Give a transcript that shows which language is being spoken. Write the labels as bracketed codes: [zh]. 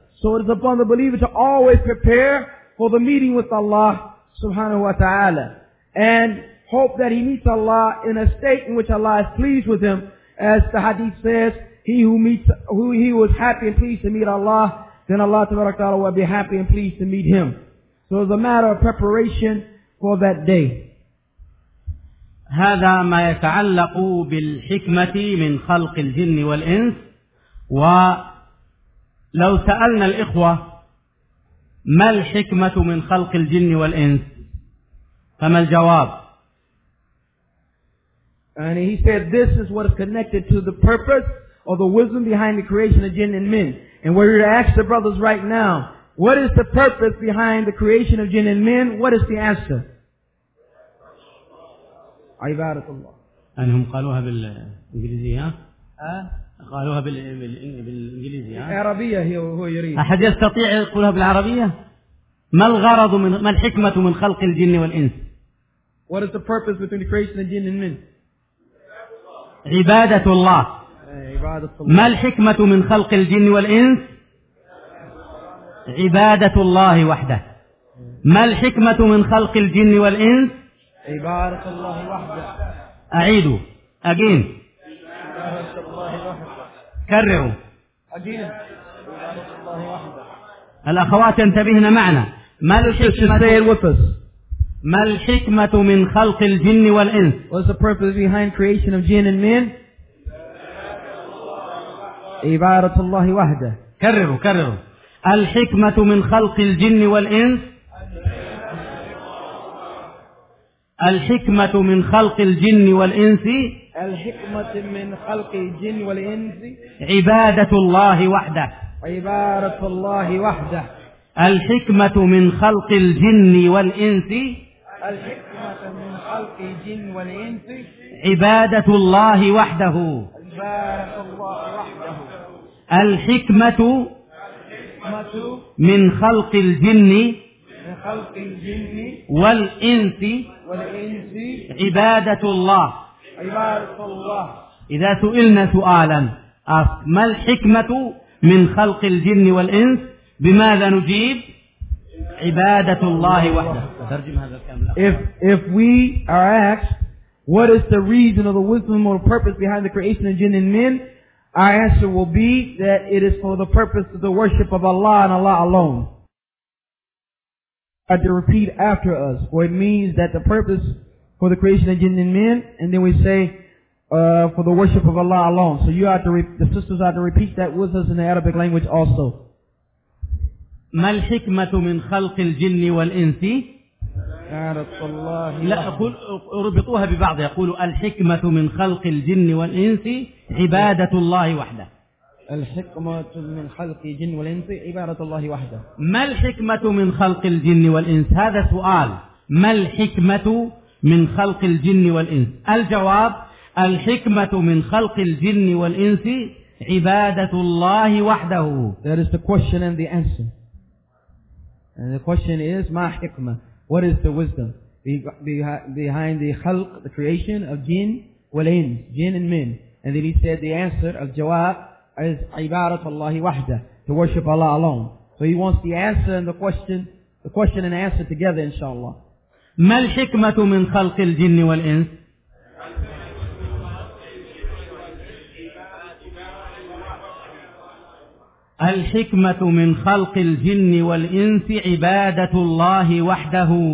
[en] So it is upon the believer to always prepare for the meeting with Allah subhanahu wa ta'ala and hope that he meets Allah in a state in which Allah is pleased with him. As the hadith says, he who was happy and pleased to meet Allah, then Allah ta'ala will be happy and pleased to meet him. So it's a matter of preparation for that day. [ar] هذا ما يتعلق بالحكمة من خلق الجن والإنس. ولو سألنا الإخوة ما الحكمة من خلق الجن والإنس فما الجواب؟ [en] And he said this is what is connected to the purpose or the wisdom behind the creation of jinn and men. And we're to ask the brothers right now, what is the purpose behind the creation of jinn and men? What is the answer? [ar] عبادة الله. أنهم قالوها بالإنجليزية. قالوها بالإنجليزية. العربية هي هو يريد. أحد يستطيع يقولها بالعربية؟ ما الغرض من ما الحكمة من خلق الجن والإنس؟ [en] What is the purpose between the creation of jinn and men? [ar] عبادة الله. عبادة الله. ما الحكمة من خلق الجن والإنس؟ عبادة الله وحده. ما الحكمة من خلق الجن والإنس؟ عبادة الله وحده. أعيد. [en] Again. [ar] عبادة الله وحده. كرروا. [en] Again. [ar] عبادة الله وحده. الأخوات ينتبهن معنا. ما الحكمة؟ ما الحكمة من خلق الجن والإنس؟ [en] What's the purpose behind creation of jinn and men? [ar] عبادة الله وحده. كرروا كرروا. الحكمة من خلق الجن والإنس؟ الحكمة من خلق الجن والإنس الحكمة من خلق الجن والإنس عبادة الله وحده عبادة الله وحده الحكمة من خلق الجن والإنس الحكمة من خلق الجن والإنس عبادة الله وحده عبادة الله وحده الحكمة الحكمة من خلق الجن من خلق الجن والإنس والإنس عبادة الله عبادة الله. إذا سئلنا سؤالا ما الحكمة من خلق الجن والإنس، بماذا نجيب؟ عبادة الله وحده. ترجم هذا الكلام. [en] If we are asked what is the reason or the wisdom or the purpose behind the creation of jinn and men, our answer will be that it is for the purpose of the worship of Allah and Allah alone. I have to repeat after us, or it means that the purpose for the creation of jinn and men, and then we say for the worship of Allah alone. So you have to the sisters have to repeat that with us in the Arabic language also. [ar] ما الحكمة من خلق الجن والإنس؟ الله. لا أقول ربطوها ببعض، يقول الحكمة من خلق الجن والإنس عبادة الله وحده. الحكمة من خلق الجن والإنس عبادة الله وحده. ما الحكمة من خلق الجن والإنس؟ هذا سؤال. ما الحكمة من خلق الجن والإنس؟ الجواب: الحكمة من خلق الجن والإنس عبادة الله وحده. [en] That is the question and the answer. And the question is, [ar] ما حكمة؟ [en] What is the wisdom behind the خلق, the creation of jinn والإنس, jinn and men? And then he said the answer of جواب is [ar] عبادة الله وحده, [en] to worship Allah alone. So he wants the answer and the question and answer together, inshallah. [ar] ما الحكمة من خلق الجن والإنس؟ الحكمة من خلق الجن والإنس عبادة الله وحده.